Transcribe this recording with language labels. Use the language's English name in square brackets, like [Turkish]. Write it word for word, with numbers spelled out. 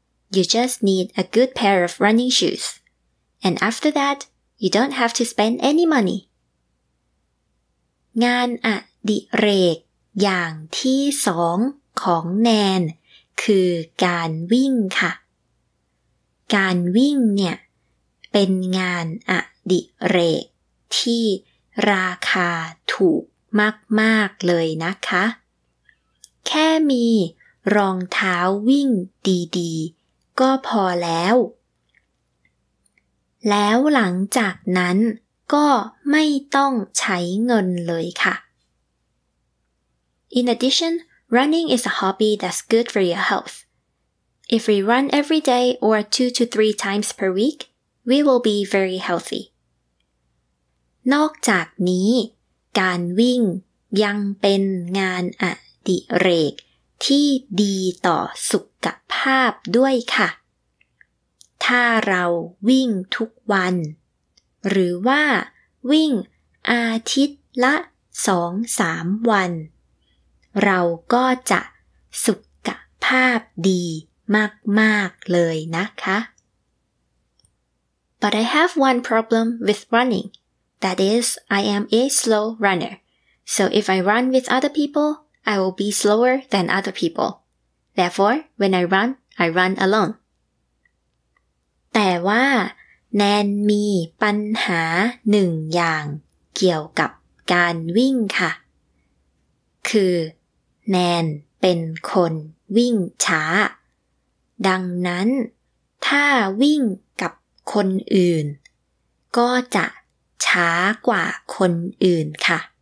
[English] You just need a good pair of running shoes. And after that, you don't have to spend any money. [Thai] งานอดิเรกอย่างที่สองของแนนคือการวิ่งค่ะ การวิ่งเนี่ยเป็นงานอดิเรกที่ราคาถูกมากๆเลยนะคะแค่มีรองเท้าวิ่งดีๆก็พอแล้วแล้วหลังจากนั้นก็ไม่ต้องใช้เงินเลยค่ะ [English] In addition, running is a hobby that's good for your health. If we run every day or two to three times per week, we will be very healthy. [Thai] นอกจากนี้การวิ่งยังเป็นงานอดิเรกที่ดีต่อสุขภาพด้วยค่ะถ้าเราวิ่งทุกวันหรือว่าวิ่งอาทิตย์ละ สองถึงสาม วันเราก็จะสุขภาพดีมากๆเลยนะคะ [English] But I have one problem with running. That is, I am a slow runner. So if I run with other people, I will be slower than other people. Therefore, when I run, I run alone. [Thai] แต่ว่าแนนมีปัญหาหนึ่งอย่างเกี่ยวกับการวิ่งค่ะคือแนนเป็นคนวิ่งช้าดังนั้นถ้าวิ่งกับคนอื่นก็จะช้ากว่าคนอื่นค่ะ